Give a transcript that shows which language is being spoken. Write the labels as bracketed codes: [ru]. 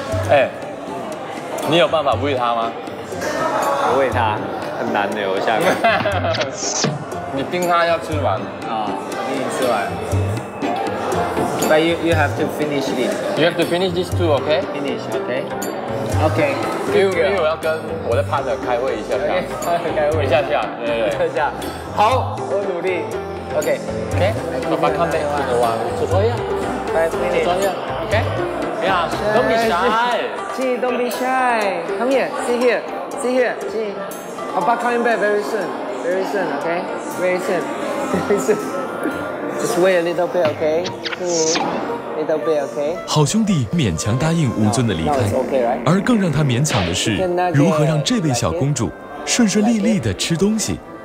[zh] 哎，你有办法喂他吗？我喂他。很难留下来。你冰他要吃完啊，一定吃完。 [en] But you have to finish this. You have to finish this too, okay? Finish, okay? Okay. [zh] 因为我要跟我的 partner 开会一下。 Okay, 开会一下下，对对对。一下。好，我努力。Okay. [en] Okay. Papa come back. [zh] 做完，做作业。 [en] Five minutes. [zh] 做作业。 [en] Okay. Yeah. Don't be shy. See, don't be shy. Come here. See here. See here. See. Papa coming back very soon. Very soon. Okay. Very soon. Very soon. Just wait a little bit, okay? Little bit, okay? [zh] 好兄弟勉强答应吴尊的离开，而更让他勉强的是如何让这位小公主顺顺利利地吃东西。